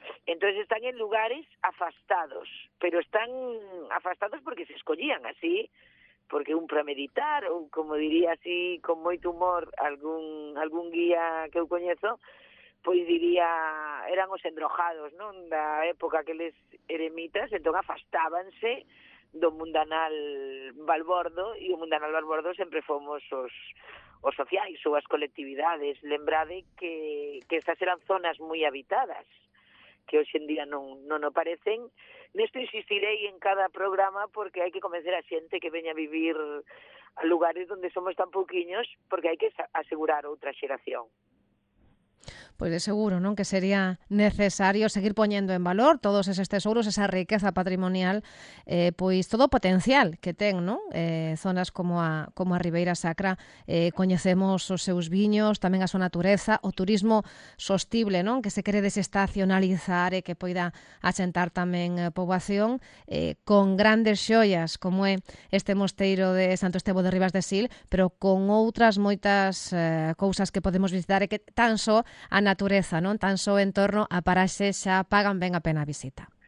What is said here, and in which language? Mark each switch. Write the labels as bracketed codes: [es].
[es] Entonces están en lugares afastados, pero están afastados porque se escollían así, [gl] porque un para meditar ou como diría así con moito humor algún guía que eu coñezo, pois diría, eran os endroxados, non, da época que les eremitas, entón afastábanse do mundanal balbordo, e o mundanal balbordo sempre fomos os sociais ou as colectividades. Lembrade que estas eran zonas moi habitadas, que hoxe en día non o parecen. Nesto insistirei en cada programa, porque hai que convencer a xente que veña a vivir a lugares onde somos tan pouquiños, porque hai que asegurar outra xeración. [es] Pues de seguro, ¿no?, que sería necesario seguir poniendo en valor todos esos tesoros, esa riqueza patrimonial, pues todo potencial que ten, ¿no? [gl] Zonas como a Ribeira Sacra, coñecemos os seus viños, tamén a súa natureza, o turismo sostible, ¿no?, que se quere desestacionalizar e que poida achentar tamén poboación, con grandes xoias como é este mosteiro de Santo Estevo de Ribas de Sil, pero con outras moitas cousas que podemos visitar e que tan só a natureza, non tan só en torno a paraxe, xa pagan ben a pena a visita.